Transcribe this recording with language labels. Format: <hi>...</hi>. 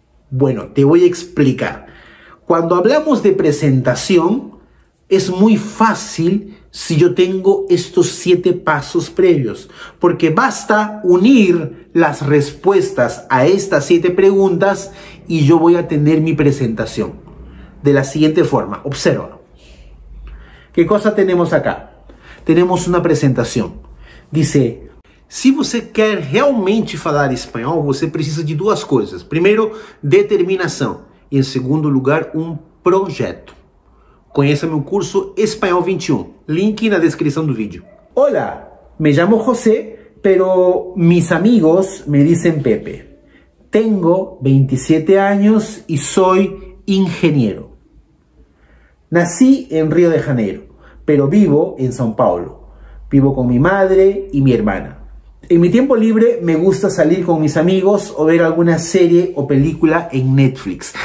<es>Bueno, te voy a explicar. Cuando hablamos de presentación, es muy fácil si yo tengo estos 7 pasos previos, porque basta unir las respuestas a estas 7 preguntas y yo voy a tener mi presentación de la siguiente forma. Observa. ¿Qué cosa tenemos acá? Tenemos una presentación.</es> <pt>Dice, si você quer realmente falar espanhol, você precisa de 2 cosas.</pt> <es>Primero, determinación. Y en segundo lugar, un proyecto.</es> <pt>Conheça meu curso Espanhol 21. Link na descrição do vídeo.</pt> <es>Hola, me llamo José, pero mis amigos me dicen Pepe. Tengo 27 años y soy ingeniero. Nací en Río de Janeiro, pero vivo en São Paulo. Vivo con mi madre y mi hermana. En mi tiempo libre me gusta salir con mis amigos o ver alguna serie o película en Netflix.</es>